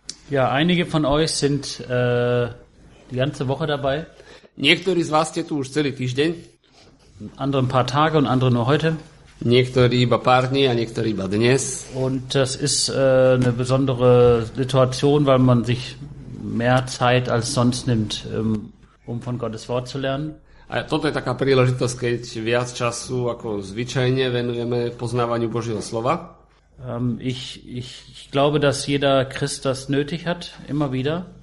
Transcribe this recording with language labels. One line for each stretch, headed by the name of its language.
German: Ja, einige von euch sind die ganze Woche dabei.
Slovak: Niektorí z vás ste tu už celý týždeň.
German: Andere ein paar Tage und andere nur heute.
Slovak: Niektorí iba pár dní a niektorí iba dnes.
German: Und das ist eine besondere Situation, weil man sich mehr Zeit als sonst nimmt, um von Gottes Wort zu lernen.
Slovak: A toto je taká príležitosť, keď viac času ako zvyčajne venujeme poznávaniu Božieho slova.
German: Ich glaube, dass jeder Christ das nötig hat, immer wieder.